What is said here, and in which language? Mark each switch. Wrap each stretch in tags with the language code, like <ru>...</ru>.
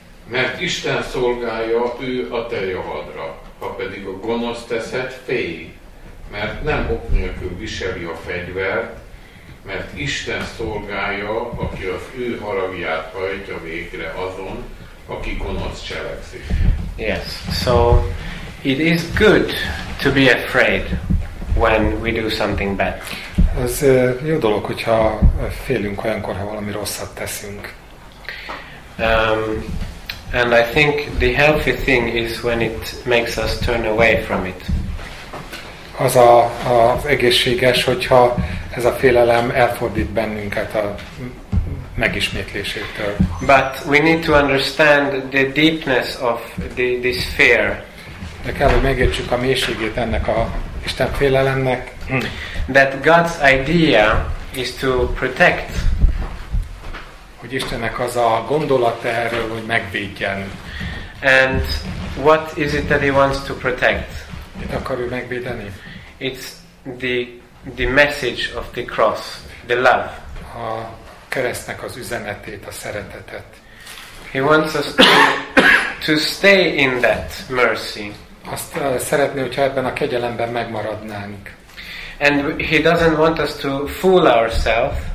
<hu>Mert Isten szolgálja ő a te javadra, ha pedig a gonosz teszed, félj, mert nem ok nélkül viseli a fegyvert, mert Isten szolgálja, aki az ő haragját hajtja végre azon, aki gonosz cselekszik.</hu> <en>Yes, so it is good to be afraid when we do something bad.</en> <hu>Ez jó dolog, hogyha félünk olyankor, ha valami rosszat teszünk.</hu> <en>And I think the healthy thing is when it makes us turn away from it.</en> <hu>Az az egészséges, hogyha ez a félelem elfordít bennünket a megismétlésétől.</hu> <en>But we need to understand the deepness of this fear.</en> <hu>De kell, hogy megértsük a mélységét ennek a Isten félelemnek.</hu> <en>That God's idea is to protect.</en> <hu>Hogy Istennek az a gondolata erről, hogy megvédjen.</hu> <en>And what is it that he wants to protect?</en> <hu>Mit akar ő megvédeni?</hu> <en>It's the message of the cross, the love.</en> <hu>A keresztnek az üzenetét, a szeretetet.</hu> <en>He wants us to stay in that mercy.</en> <hu>Azt szeretné, hogyha ebben a kegyelemben megmaradnánk.</hu> <en>And he doesn't want us to fool ourselves.</en>